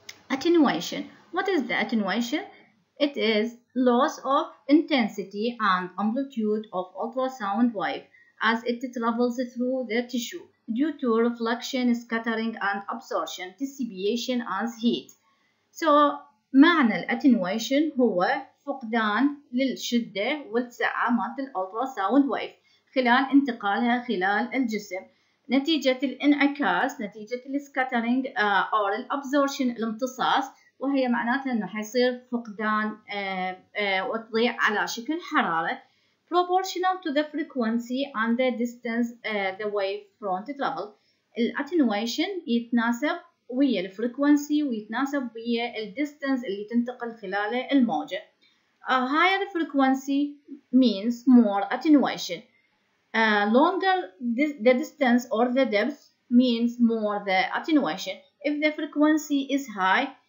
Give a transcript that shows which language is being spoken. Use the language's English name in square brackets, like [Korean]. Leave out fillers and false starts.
[English] Attenuation. What is the attenuation? It is loss of intensity and amplitude of ultrasound wave as it travels through the tissue due to reflection, scattering, and absorption, dissipation, as heat. [Arabic] So معنى الاتنويشن هو فقدان للشدة والسعة مالت الالتراساوند ويف خلال انتقالها خلال الجسم نتيجة الانعكاس، نتيجة السكاترينج أو الابزورشن الامتصاص، وهي معناتها انه حيصير فقدان وتضيع على شكل حرارة. [English] Proportional to the frequency and the distance the wave front travel. [Arabic] الاتنويشن يتناسب ويا الفريكوانسي ويتناسب ويا الديستنس اللي تنتقل خلاله الموجة. [English] A higher frequency means more attenuation. Longer the distance or the depth means more the attenuation. If the frequency is high